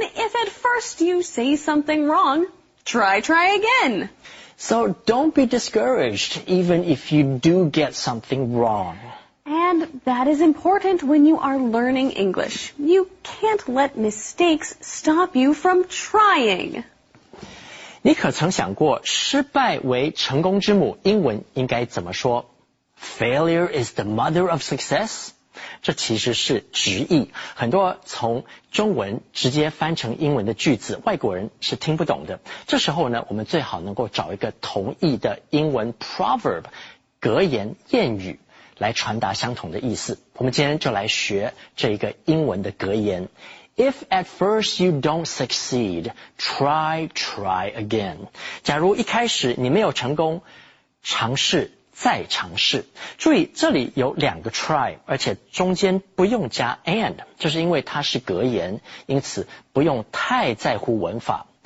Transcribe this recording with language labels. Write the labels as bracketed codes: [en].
[en] If at first you say something wrong, try again. So don't be discouraged, even if you do get something wrong. And that is important when you are learning English. You can't let mistakes stop you from trying. [zh] 你可曾想过失败为成功之母，英文应该怎么说？ [en] Failure is the mother of success? [zh] 这其实是直译，很多从中文直接翻成英文的句子，外国人是听不懂的。这时候呢，我们最好能够找一个同义的英文 proverb， 格言谚语，来传达相同的意思。我们今天就来学这一个英文的格言。 [en] If at first you don't succeed, try again. [zh] 假如一开始你没有成功，尝试再尝试。注意，这里有两个 try， 而且中间不用加 and， 就是因为它是格言，因此不用太在乎文法。